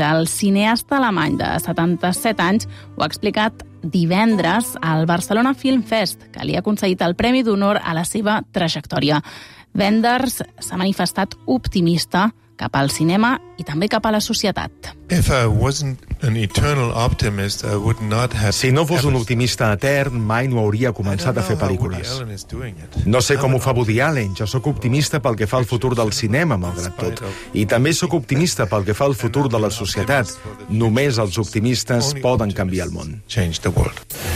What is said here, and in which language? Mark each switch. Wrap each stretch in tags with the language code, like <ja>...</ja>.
<ca>El cineasta alemany de 77 anys ho ha explicat divendres al Barcelona Film Fest, que li ha concedit el Premi d'Honor a la seva trajectòria. Wenders s'ha manifestat optimista cap al cinema i també cap a la societat.</ca> <en>If I wasn't an eternal optimist, I would not have...</en> <ca>Si no fos un optimista etern, mai no hauria començat a fer pel·lícules. No sé com ho fa Woody Allen. Jo sóc optimista pel que fa al futur del cinema, malgrat tot. I també sóc optimista pel que fa al futur de la societat. Només els optimistes poden canviar el món.</ca> <en>Change the world.</en>